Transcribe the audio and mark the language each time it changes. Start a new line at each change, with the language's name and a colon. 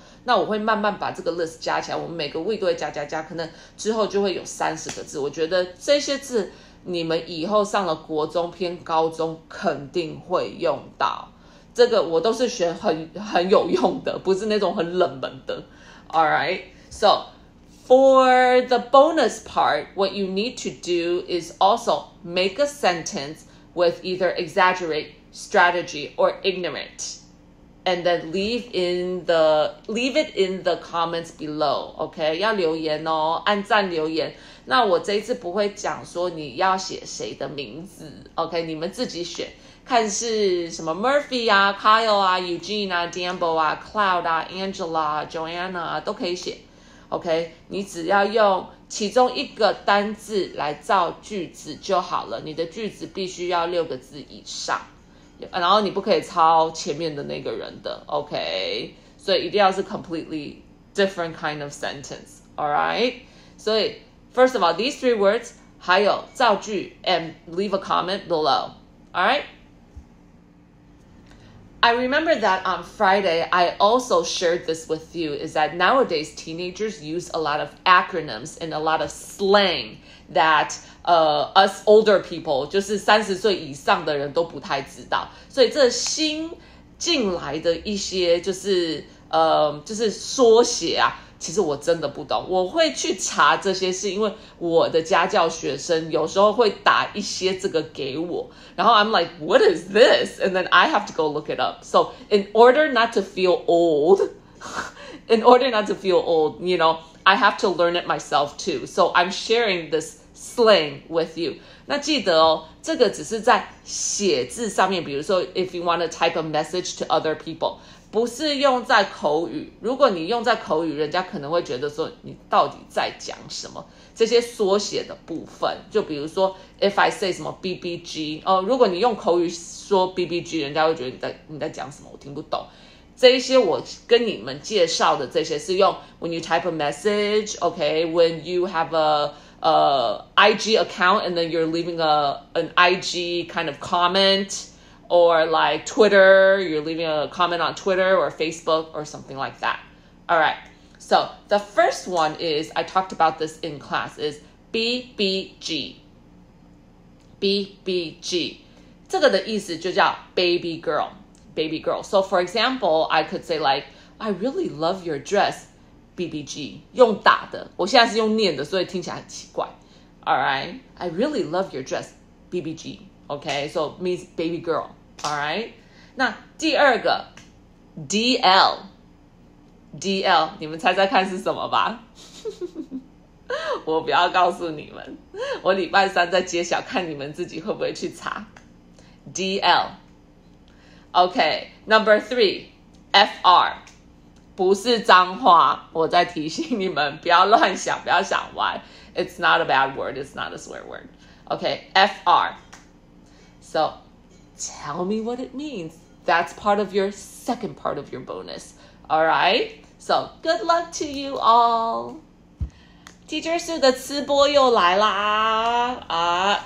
Chinese: 那我会慢慢把这个 list 加起来，我们每个 week 都会加加加，可能之后就会有30个字。我觉得这些字你们以后上了国中偏高中肯定会用到，这个我都是学很有用的，不是那种很冷门的。
English: Alright, soFor the bonus part, what you need to do is also make a sentence with either exaggerate, strategy, or ignorant. And then leave it in the comments below, okay?
Chinese: 要留言哦，按赞留言。那我这一次不会讲说你要写谁的名字， okay? 你们自己选，看是什么 Murphy 啊， Kyle 啊， Eugene 啊， Dambo 啊， Cloud 啊， Angela 啊， Joanna 啊，都可以写。 OK, 你只要用其中一个单字来造句子就好了，你的句子必须要六个字以上，然后你不可以抄前面的那个人的， OK, 所以一定要是
English: completely different kind of sentence, alright?
Chinese: 所以
English: first of all, these three words,
Chinese: 还有造句
English: and leave a comment below, alright? I remember that on Friday, I also shared this with you, is that nowadays teenagers use a lot of acronyms and a lot of slang that us older people,
Chinese: 就是30岁以上的人都不太知道。所以这新进来的一些就是缩写啊，其实我真的不懂。我会去查这些事，因为我的家教学生有时候会打一些这个给我，然后
English: I'm like, what is this? And then I have to go look it up. So in order not to feel old, you know, I have to learn it myself too. So I'm sharing this slang with you.
Chinese: 那记得哦，这个只是在写字上面，比如说
English: if you want to type a message to other people.
Chinese: 不是用在口语，如果你用在口语，人家可能会觉得说你到底在讲什么，这些缩写的部分，就比如说
English: if I say
Chinese: 什么 BBG、如果你用口语说 BBG， 人家会觉得你在讲什么，我听不懂。这一些我跟你们介绍的这些是用
English: when you type a message, okay, when you have an IG account and then you're leaving an IG kind of commentOr like Twitter, you're leaving a comment on Twitter or Facebook or something like that. All right. So the first one is, I talked about this in class, is BBG.
Chinese: BBG. 这个的意思就叫
English: baby girl. Baby girl. So for example, I could say like, I really love your dress, BBG.
Chinese: 用打的，我现在是用念的，所以听起来很奇怪。
English: All right. I really love your dress, BBG. Okay. So means baby girl. Alright,
Chinese: 那第二个 DL, DL, 你们猜猜看是什么吧？我不要告诉你们，我礼拜三再揭晓，看你们自己会不会去查 DL。
English: Okay, number three, FR.
Chinese: 不是脏话，我再提醒你们，不要乱想，不要想歪。
English: It's not a bad word, it's not a swear word. Okay, FR. So, tell me what it means. That's part of your second part of your bonus. All right? So, good luck to you all.
Chinese: Teacher Sue 的吃播又来啦。